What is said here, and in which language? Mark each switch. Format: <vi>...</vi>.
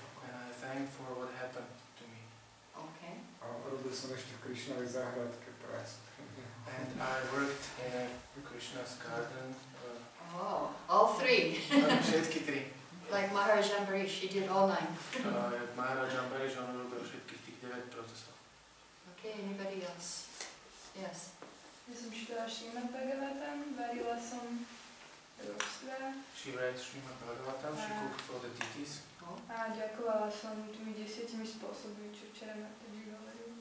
<en>And I thank for what happened to me. Okay.</en> <sk>A robil som ešte v Krišnovej záhradke prácu.</sk> <en>And I worked in Krishna's garden. Oh, all three.</en> <sk>Všetky tri.</sk> <en>Like Maharaj Ambarish, he did all nine.</en> <sk>Maharaj Ambarish, on robil všetkých tých 9 procesov.</sk> <en>Okay, anybody else? Yes.</en> <sk>Ja som čítala Srimad Bhagavatam, varila som rostra.</sk> <en>She read Srimad Bhagavatam, she cooked for the deities.</en> <sk>A ďakovala som tými 10 spôsobmi, čo včera na to vyvalil.</sk>